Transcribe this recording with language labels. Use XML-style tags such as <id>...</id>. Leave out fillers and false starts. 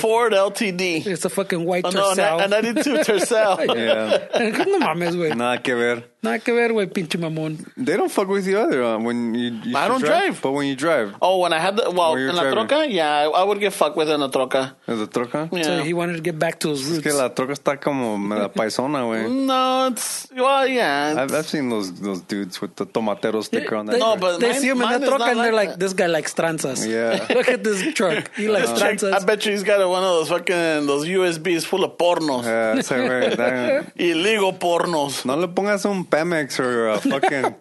<en>Ford LTD. It's a fucking white Tercel. Oh, no, and I did too, Tercel. Yeah.</en> <es>No mames, güey. Nada que ver. Nada que ver, güey, pinche mamón.</es> <en>They don't fuck with you either when you I don't drive. But when you drive. Oh, when I had the. Well, in la troca? Yeah, I would get fucked with in la troca. In the troca? Yeah. So he wanted to get back to his roots.</en> <es>Es que la troca está como la paisona, güey.</es> <en>No, it's. Well, yeah. I've seen those dudes with the tomatero sticker on that. No, but they see him in the troca and they're like, this guy likes tranza. Yeah. Look at this truck. He likes trances. I bet you he's got one of those fucking those USBs full of pornos. Yeah, same way. Illegal pornos.</en> <es>No le pongas un Pemex</es> <en>or a fucking.</en>